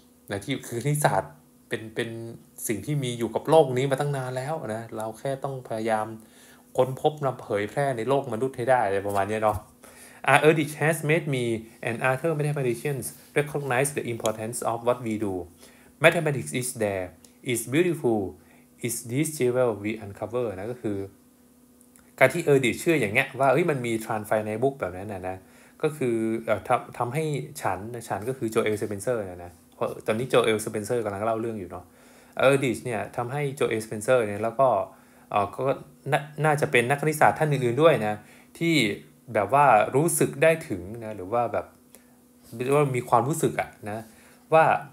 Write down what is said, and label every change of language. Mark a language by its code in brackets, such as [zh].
[th] นะที่คือคณิตศาสตร์เป็นสิ่งที่มีอยู่กับโลกนี้มาตั้งนานแล้วนะเราแค่ต้องพยายามค้นพบนำเผยแพร่ในโลกมนุษย์ให้ได้อะไรประมาณนี้เนาะ [en] Eurdich has made me and other mathematicians recognize the importance of what we do. Mathematics is there, is beautiful, is this jewel we uncover. [th] นะก็คือการที่ Urdich เชื่ออย่างเงี้ยว่าเฮ้ยมันมี transfinite book แบบนั้นนะก็คือทำให้ฉันก็คือโจเอลสเปนเซอร์นะเพราะตอนนี้โจเอลสเปนเซอร์กำลังเล่าเรื่องอยู่เนาะ Urdich เนี่ยทำให้โจเอลสเปนเซอร์เนี่ยแล้วก็ก็น่าจะเป็นนักคณิตศาสตร์ท่านอื่นๆด้วยนะที่แบบว่ารู้สึกได้ถึงนะหรือว่าแบบว่ามีความรู้สึกอะนะว่า